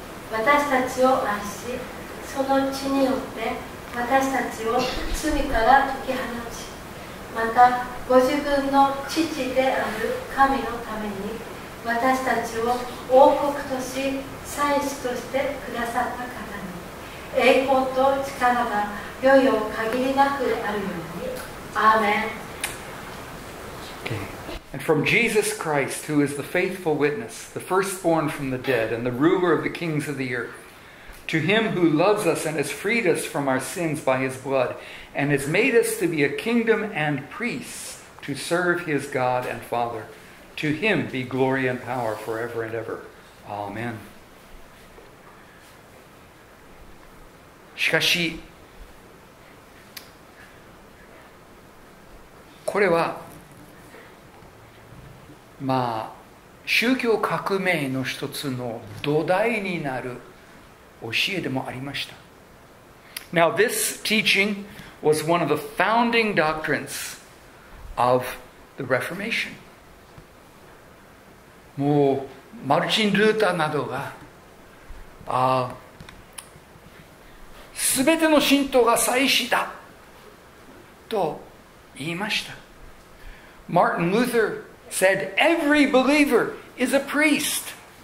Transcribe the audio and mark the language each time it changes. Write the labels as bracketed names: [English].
[Japanese] 私たちを愛し、その血によって私たちを罪から解き放ち、またご自分の父である神のために、私たちを王国とし祭司としてくださった方に栄光と力がよいよ限りなくあるようにアーメン。 [English] Okay. And from Jesus Christ, who is the faithful witness, the firstborn from the dead, and the ruler of the kings of the earth, to him who loves us and has freed us from our sins by his blood, and has made us to be a kingdom and priests to serve his God and Father. To him be glory and power forever and ever. Amen. [Japanese] しかし、これは、まあ、宗教革命の一つの土台になる教えでもありました。 [English] Now, this teaching was one of the founding doctrines of the Reformation. [Japanese] もうマルチン・ルーターなどが全ての信徒が祭司だと言いました。 [English] Martin Luther said, Every believer is a priest.